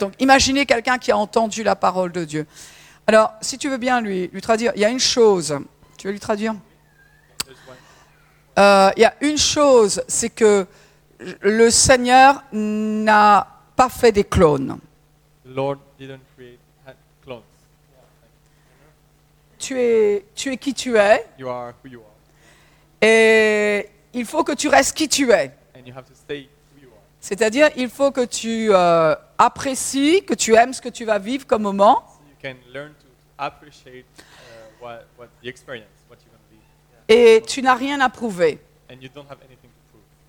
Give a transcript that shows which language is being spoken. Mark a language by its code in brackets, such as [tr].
[fr] Donc, imaginez quelqu'un qui a entendu la parole de Dieu. Alors, si tu veux bien lui traduire, il y a une chose. Tu veux lui traduire ? Il y a une chose, c'est que le Seigneur n'a pas fait des clones. [en] Lord didn't create clones. [fr] Tu es qui tu es. [en] You are who you are. [fr] Et il faut que tu restes qui tu es. [en] And you have to stay who you are. [fr] C'est-à-dire, il faut que tu apprécies, que tu aimes ce que tu vas vivre comme moment. [en] Can learn to appreciate what the experience, what you're going to be. [fr] Et tu n'as rien à prouver. [en] And you don't have anything to prove.